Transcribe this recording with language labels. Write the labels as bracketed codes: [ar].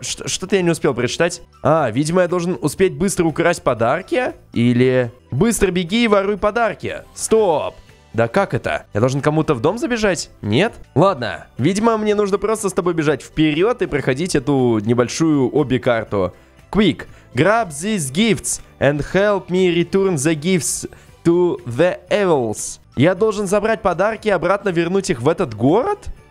[ru] Что-то я не успел прочитать. А, видимо, я должен успеть быстро украсть подарки? Или... Быстро беги и воруй подарки. Стоп. Да как это? Я должен кому-то в дом забежать? Нет? Ладно, видимо, мне нужно просто с тобой бежать вперед и проходить эту небольшую обе-карту. [en] Quick, grab these gifts and help me return the gifts to the elves. [ru] Я должен забрать подарки и обратно вернуть их в этот город?